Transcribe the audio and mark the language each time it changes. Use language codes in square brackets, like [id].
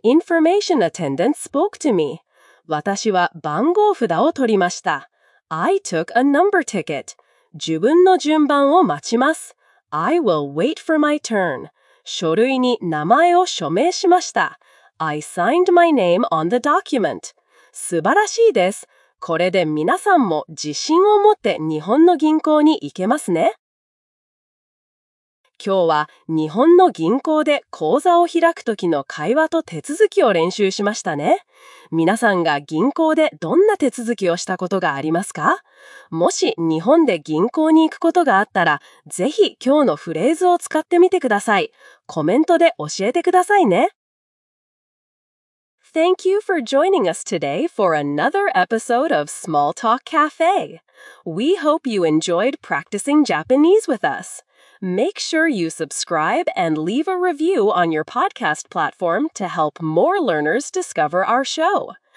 [en] information attendant spoke to me. [ja] 私は番号札を取りました。I [en] took a number ticket. [ja] 自分の順番を待ちます。I [en] will wait for my turn. [ja] 書類に名前を署名しました。I [en] signed my name on the document. [ja] 素晴らしいです。これで皆さんも自信を持って日本の銀行に行けますね。今日は日本の銀行で口座を開くときの会話と手続きを練習しましたね。皆さんが銀行でどんな手続きをしたことがありますか?もし日本で銀行に行くことがあったら、ぜひ今日のフレーズを使ってみてください。コメントで教えてくださいね。 [en] Thank you for joining us today for another episode of Small Talk Cafe. We hope you enjoyed practicing Japanese with us. make sure you subscribe and leave a review on your podcast platform to help more learners discover our show.